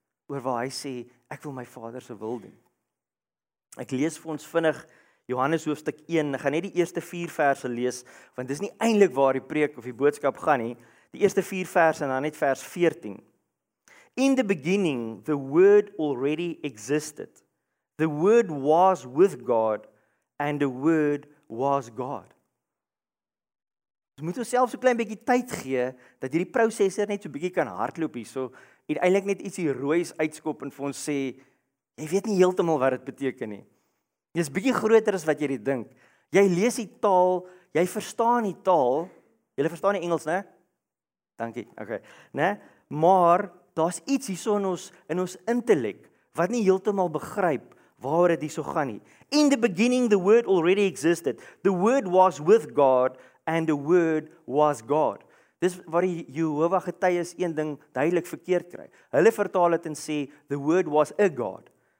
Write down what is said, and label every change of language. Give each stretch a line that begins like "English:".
Afrikaans: oor waar hy sê, ek wil my Vader se wil doen. Ek lees vir ons vinnig Johannes hoofstuk 1, ek gaan net die eerste 4 verse lees, want dis nie eintlik waar die preek of die boodskap gaan nie, die eerste 4 verse en dan net vers 14.
English: In the beginning, the Word already existed. The Word was with God, and the Word was God.
Afrikaans: Ons moet ons self so klein bietjie tyd gee, dat hierdie prosesser net so bietjie kan hardloop hier, so eintlik net iets hier rooies uitskop en vir ons sê, jy weet nie heeltemal wat dit beteken nie. Jy is bietjie groter as wat jy dit dink. Jy lees die taal, jy verstaan die taal, jy verstaan die Engels, ne? Dankie, oké. Okay. Ne? Maar, daar is iets hier so in ons intellect, wat nie heeltemal begryp, waar dit hier so gaan nie.
English: In the beginning, the Word already existed. The Word was with God, and the Word was God.
Afrikaans: Dis waar die Jehovah getuies een ding duidelik verkeerd kry. Hulle vertaal het en sê,
English: the Word was a God.